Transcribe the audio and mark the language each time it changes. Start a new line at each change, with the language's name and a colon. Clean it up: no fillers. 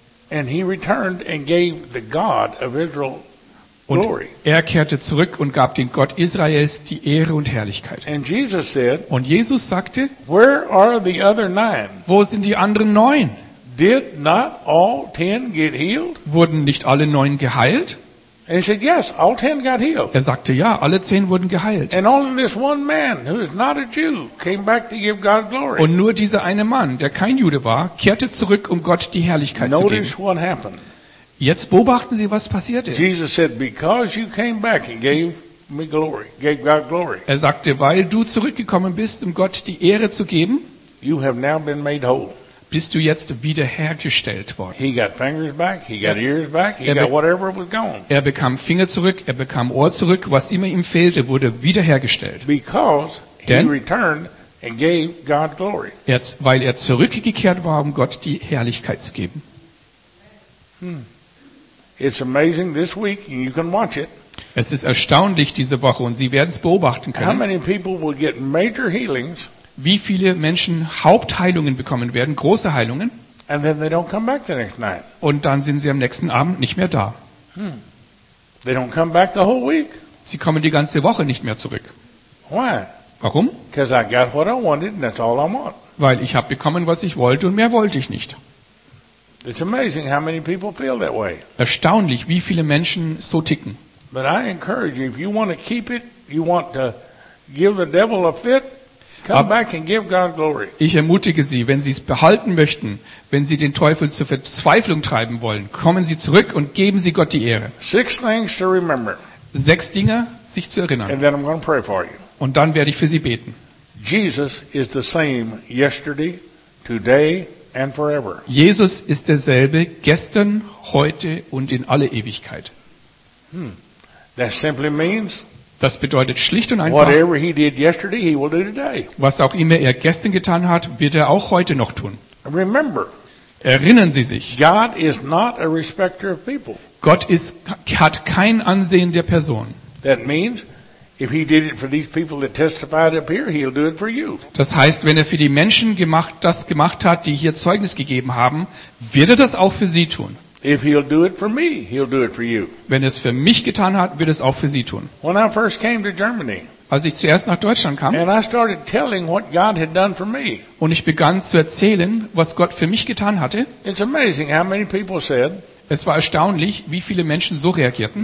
English: And he returned and gave the God of Israel glory.
German: Und er kehrte zurück und gab dem Gott Israels die Ehre und Herrlichkeit.
English: And Jesus said,
German: und Jesus sagte,
English: Where are the other nine?
German: Wo sind die anderen neun?
English: Did not all ten get healed?
German: Wurden nicht alle neun geheilt?
English: And he said, yes, all ten got healed.
German: Er sagte, ja, alle zehn wurden geheilt.
English: And only this one man, who is not a Jew, came back to give God glory.
German: Und nur dieser eine Mann, der kein Jude war, kehrte zurück, um Gott die Herrlichkeit
English: Notice
German: zu geben.
English: Notice what happened.
German: Jetzt beobachten Sie, was passierte.
English: Jesus said, because you came back and gave me glory, gave God glory.
German: Er sagte, weil du zurückgekommen bist, um Gott die Ehre zu geben,
English: you have now been made whole.
German: Bist du jetzt wiederhergestellt worden?
English: He got fingers back, he got ears back, he got whatever was gone.
German: Er bekam Finger zurück, er bekam Ohr zurück, was immer ihm fehlte, wurde wiederhergestellt.
English: Because he returned and gave God glory.
German: Jetzt, weil er zurückgekehrt war, um Gott die Herrlichkeit zu geben.
English: It's amazing this week and you can watch it.
German: Es ist erstaunlich diese Woche und Sie werden es beobachten können.
English: How many people will get major healings?
German: Wie viele Menschen Hauptheilungen bekommen werden, große Heilungen,
English: and then they don't come back the next night.
German: Und dann sind sie am nächsten Abend nicht mehr da.
English: They don't come back the whole week.
German: Sie kommen die ganze Woche nicht mehr zurück.
English: Why?
German: Warum?
English: 'Cause I got what I wanted and that's all I want.
German: Weil ich habe bekommen, was ich wollte und mehr wollte ich nicht.
English: It's amazing how many people feel that way.
German: Erstaunlich, wie viele Menschen so ticken.
English: But I encourage you, if you want to keep it, you want to give the devil a fit, come back and give God glory.
German: Ich ermutige Sie, wenn Sie es behalten möchten, wenn Sie den Teufel zur Verzweiflung treiben wollen, kommen Sie zurück und geben Sie Gott die Ehre.
English: Six things to remember.
German: Sechs Dinge, sich zu erinnern.
English: And then I'm going to pray for you.
German: Und dann werde ich für Sie beten.
English: Jesus is the same yesterday, today and forever.
German: Jesus ist derselbe gestern, heute und in alle Ewigkeit.
English: That simply means.
German: Das bedeutet schlicht und einfach,
English: whatever he did yesterday, he will do today.
German: Was auch immer er gestern getan hat, wird er auch heute noch tun.
English: Remember,
German: erinnern Sie sich,
English: God is not a respecter of people.
German: Gott hat kein Ansehen der Person.
English: That means, if he did it for these people that testified up here, he'll do it for you.
German: Das heißt, wenn er für die Menschen gemacht hat, die hier Zeugnis gegeben haben, wird er das auch für sie tun.
English: If he'll do it for me, he'll do it for you.
German: Wenn es für mich getan hat, wird es auch für sie tun.
English: When I first came to Germany,
German: als ich zuerst nach Deutschland kam,
English: and I started telling what God had done for me,
German: und ich begann zu erzählen, was Gott für mich getan hatte,
English: it's amazing how many people said,
German: es war erstaunlich, wie viele Menschen so reagierten.